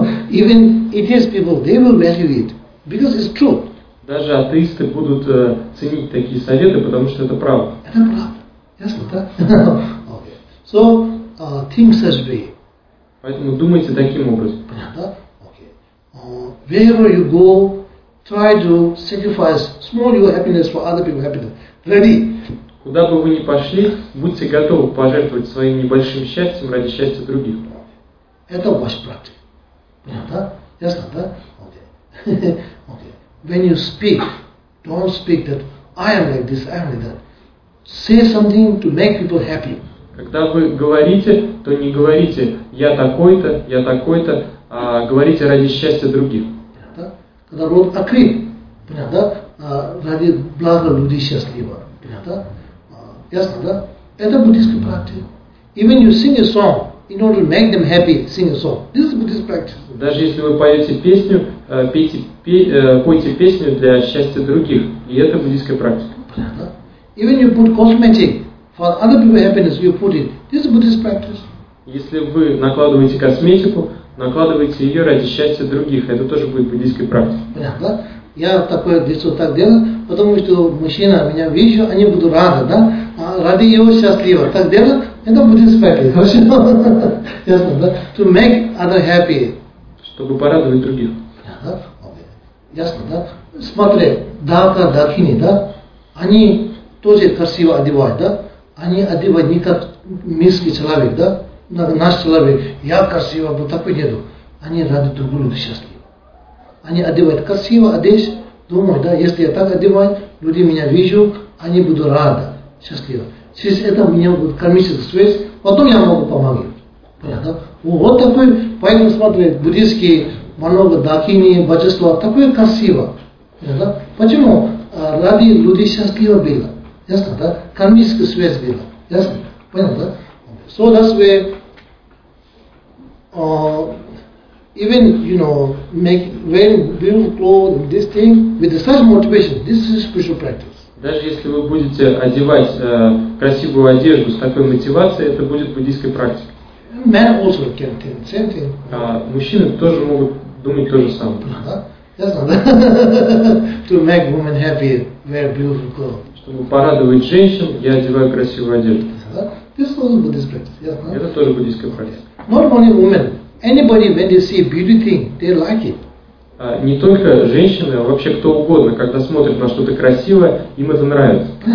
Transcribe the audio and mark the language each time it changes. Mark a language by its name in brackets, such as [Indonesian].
[English] Even atheist people, they will believe it. Because it's true. [Russian] Даже атеисты будут ценить такие советы, потому что это правда. Это правда. Ясно, да? [English] Okay. So, think such way. [Russian] Поэтому думайте таким образом. Понятно? Okay. [English] Wherever you go, try to sacrifice small your happiness for other people's happiness. Ready? [Russian] Куда бы вы ни пошли, будьте готовы пожертвовать своим небольшим счастьем ради счастья других. Это ваш практик. Понятно? Ясно, да? Okay. [English] When you speak, don't speak that I am like this, I am like that. Say something to make people happy. [Russian] Когда вы говорите, то не говорите я такой-то, а говорите ради счастья других. Понятно? Когда рот открыт, понятно? Ради блага людей счастливо. Понятно? Ясно, да? Это буддийская практика. [English] Even you sing a song. In order to make them happy, sing a song. This is Buddhist practice. [Russian] Даже если вы поете песню, пойте песню для счастья других, и это буддийская практика. [English] Even you put cosmetic for other people's happiness, you put it. This is Buddhist practice. [Russian] Если вы накладываете косметику, накладывайте ее ради счастья других, это тоже будет буддийской практикой. Я такое лицо так делаю, потому что мужчина меня видит, они будут рады, да? А ради его счастлива. Так делать. Это будет спать. Ясно, да? [English] To make other happy. [Russian] Чтобы порадовать других. Понятно? Okay. Ясно, да? Смотри, дака, дакини, да? Они тоже красиво одевают, да? Они одевают не как мирский человек, да? Наш человек. Я красиво, вот такой нету. Они ради друг друга счастливы. Они одевают красиво, одеть. Думаю, да, если я так одеваю, люди меня видят, они будут рады, счастливы. Через это у меня будет кармическая связь, потом я могу помогать. Понятно? Вот такой пойдем смотреть, буддийские много дакини, божества, такое красиво. Да? Почему? Ради людей счастливо было. Ясно, да? Кармическая связь была. Ясно? Понял, да? [English] So that's where even you know make wearing beautiful clothes this thing with such motivation, this is spiritual practice. [Russian] Даже если вы будете одевать красивую одежду с такой мотивацией, это будет буддийской практикой. [English] Men also can think the same thing. [Russian] Мужчины тоже могут думать то же самое. Ясно, да? [English] To make women happy, wear beautiful clothes. [Russian] Чтобы порадовать женщин, я одеваю красивую одежду. [English] This is also Buddhist practice. [Russian] Это тоже буддийская практика. [English] Not only women. Anybody when they see a beauty thing, they like it. [Russian] Не только женщины, а вообще кто угодно, когда смотрит на что-то красивое, им это нравится.